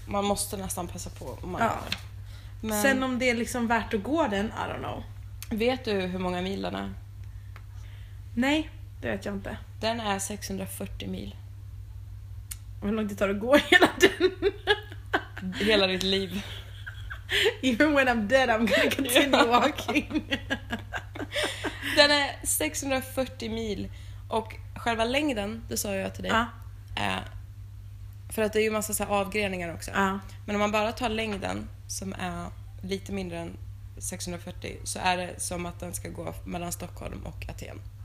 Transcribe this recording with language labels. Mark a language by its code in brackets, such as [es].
[sv] Man måste nästan passa på om man gör. Men... Sen om det är liksom värt att gå den, [en] I don't know. [sv] Vet du hur många milarna? Nej, det vet jag inte. Den är 640 mil. Hur långt det tar att gå hela den? Hela ditt liv. [en] Even when I'm dead I'm gonna continue walking. [sv] Den är 640 mil. Och själva längden, det sa jag till dig. För att det är ju en massa så här avgreningar också. Men om man bara tar längden som är lite mindre än 640 så är det som att den ska gå mellan Stockholm och Aten.